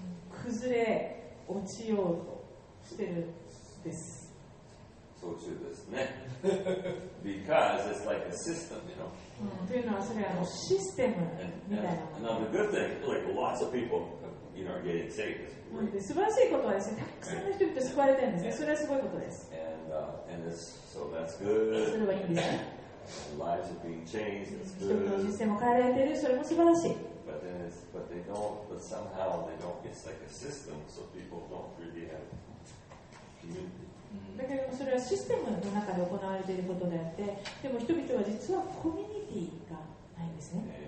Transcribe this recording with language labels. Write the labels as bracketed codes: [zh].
[en] But not what I'm trying to say. [ja] そうちゅうですね。 [en] Because it's like a system, you know. [ja] というのはそれはシステムみたいな。 [en] And another good thing, like lots of people, you know, are getting saved. [ja] 素晴らしいことはですね、たくさんの人々救われてるんですね。それはすごいことです。 [en] And this, so that's good. [ja] それはいいんですね。 [en] Lives are being changed. That's good. [ja] 人々の人生も変えられている。それも素晴らしい。 [en] But somehow they don't. It's like a system, so people don't really have [ja] だけどそれはシステムの中で行われていることであって、でも人々は実はコミュニティがないんですね。